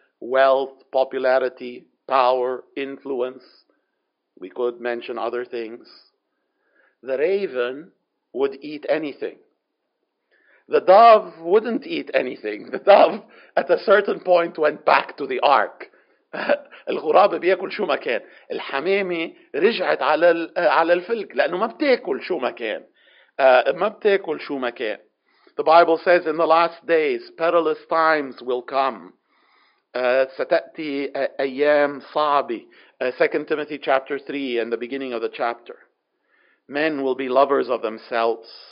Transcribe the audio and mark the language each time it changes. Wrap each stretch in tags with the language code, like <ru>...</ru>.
<en>Wealth, popularity, power, influence. We could mention other things. The raven would eat anything. The dove wouldn't eat anything. The dove, at a certain point, went back to the ark.</en> <ar>الغرابة بيأكل شو ما كان. الحمامة رجعت على الفلك لأنه ما بتأكل شو ما كان. ما بتأكل شو ما كان.</ar> <en>The Bible says, in the last days, perilous times will come.</en> <ar>ستأتي أيام صعبة.</ar> <en>2 Timothy chapter 3 and the beginning of the chapter. Men will be lovers of themselves.</en>